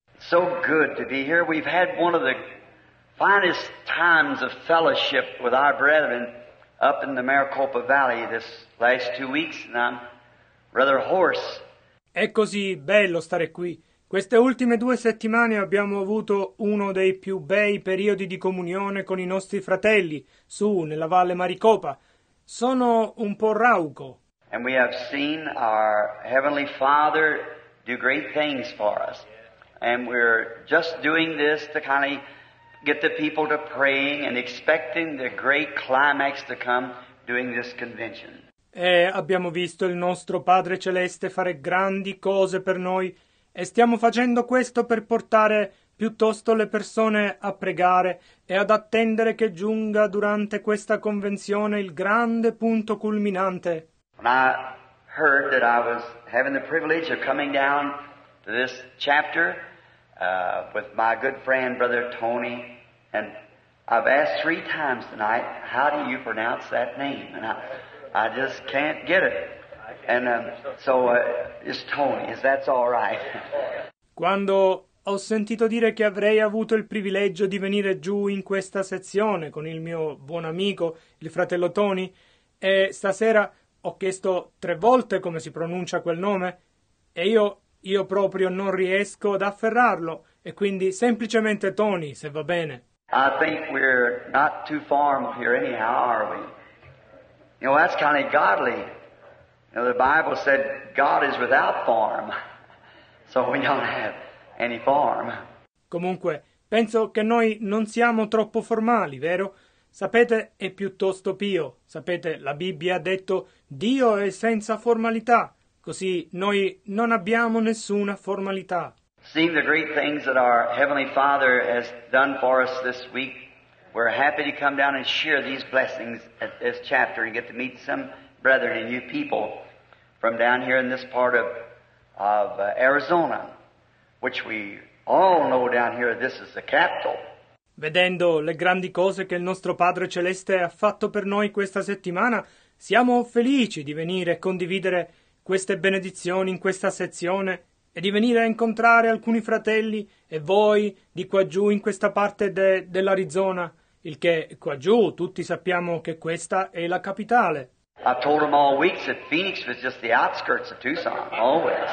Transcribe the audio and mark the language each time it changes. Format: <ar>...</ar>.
<en>So good to be here. We've had one of the finest times of fellowship with our brethren up in the Maricopa Valley this last 2 weeks, and I'm rather hoarse.</en> <it>È così bello stare qui. Queste ultime 2 settimane abbiamo avuto uno dei più bei periodi di comunione con i nostri fratelli su nella Valle Maricopa. Sono un po' rauco.</it> <en>And we have seen our Heavenly Father do great things for us. And we're just doing this to kind of get the people to praying and expecting the great climax to come during this convention.</en> <it>E abbiamo visto il nostro Padre Celeste fare grandi cose per noi e stiamo facendo questo per portare piuttosto le persone a pregare e ad attendere che giunga durante questa convenzione il grande punto culminante.</it> <en>When I heard that I was having the privilege of coming down to this chapter with my good friend Brother Tony, and I've asked 3 times tonight, how do you pronounce that name? And I just can't get it. And it's Tony, is that's all right.</en> <it>Quando ho sentito dire che avrei avuto il privilegio di venire giù in questa sezione con il mio buon amico, il fratello Tony, e stasera ho chiesto 3 volte come si pronuncia quel nome, e io proprio non riesco ad afferrarlo, e quindi semplicemente Tony, se va bene.</it> <en>I think we're not too far from here anyhow, are we? You know, that's kind of godly. You know, the Bible said God is without form, so we don't have any form.</en> <it>Comunque, penso che noi non siamo troppo formali, vero? Sapete, è piuttosto pio. Sapete, la Bibbia ha detto Dio è senza formalità. Così noi non abbiamo nessuna formalità.</it> <en>Seeing the great things that our Heavenly Father has done for us this week, we're happy to come down and share these blessings at this chapter and get to meet some brethren and new people from down here in this part of Arizona, which we all know down here this is the capital.</en> <it>Vedendo le grandi cose che il nostro Padre Celeste ha fatto per noi questa settimana, siamo felici di venire a condividere queste benedizioni in questa sezione e di venire a incontrare alcuni fratelli e voi di qua giù in questa parte dell'Arizona, il che qua giù tutti sappiamo che questa è la capitale.</it> <en>I told them all weeks that Phoenix was just the outskirts of Tucson, always.</en>